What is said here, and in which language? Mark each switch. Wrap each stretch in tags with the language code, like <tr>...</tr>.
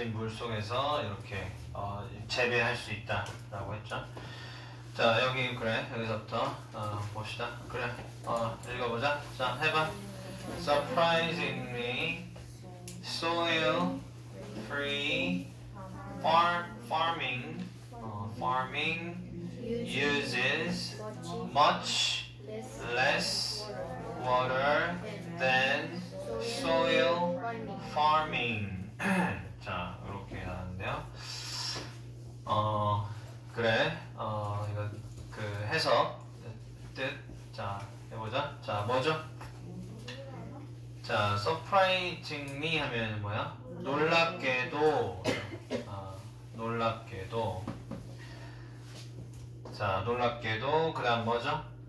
<ko>속에서 이렇게 재배할 수 있다라고 했죠. 자 여기 그래 여기서부터 봅시다. 그래 읽어보자. 자 해봐.</ko> <en>Surprising me, soil free farming farming uses much less water than soil farming.</en> <ko>자 이렇게 하는데요. 그래 이거 그 해석 뜻 자 해보자. 자 뭐죠? 자</ko> <en>surprising me</en> <ko>하면 뭐야? 놀랍게도 놀랍게도 자 놀랍게도 그다음 뭐죠?</ko>